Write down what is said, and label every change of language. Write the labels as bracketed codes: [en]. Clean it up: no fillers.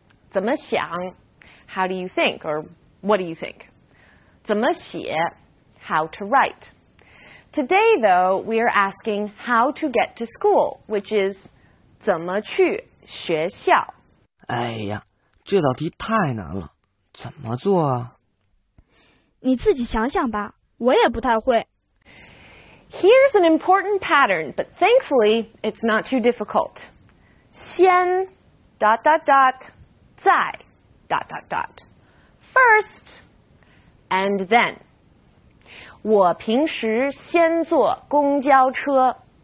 [en] 怎么想, how do you think, or what do you think. 怎么写, how to write. Today, though, we are asking how to get to school, which is [zh] 怎么去学校. 哎呀, 这道题太难了。怎么做啊? 你自己想想吧,我也不太会。 [en] Here's an important pattern, but thankfully, it's not too difficult. 先, dot, dot, dot, 再, dot, dot, dot. First, and then. [zh] 我平时先坐公交车。